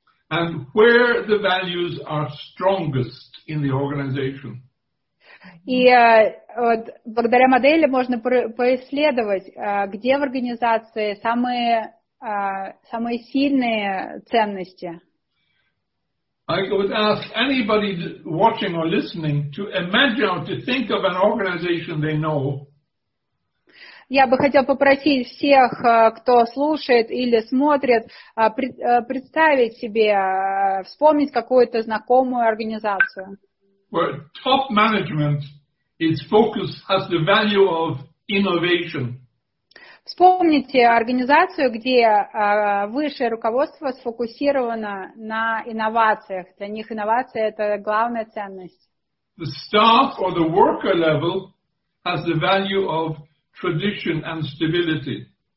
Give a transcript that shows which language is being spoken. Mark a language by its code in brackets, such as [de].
[en] And where the values are strongest in the organization. [ru] И вот благодаря модели можно поисследовать, где в организации самые самые сильные ценности. [en] I would ask anybody watching or listening to imagine or to think of an organization they know. [ru] Я бы хотел попросить всех, кто слушает или смотрит, представить себе, вспомнить какую-то знакомую организацию. [en] Where top management is focused has the value of innovation. [ru] Вспомните организацию, где высшее руководство сфокусировано на инновациях. Для них инновация – это главная ценность. [en] The staff or the worker level has the value of tradition and stability.